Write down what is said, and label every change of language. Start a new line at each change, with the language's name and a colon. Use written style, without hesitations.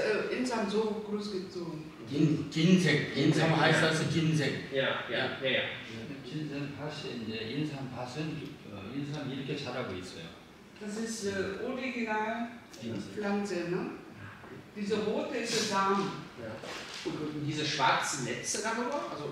German: 인삼 so groß gezogen?
Korean: 긴색, 인삼
German: heißt das
Korean: 긴색. 긴색 밭이 이제 인삼 밭은 인삼 이렇게 자라고 있어요.
German: Das ist original Pflanze, ne? Diese rote ist der Samen. Und diese schwarzen Netze darüber, also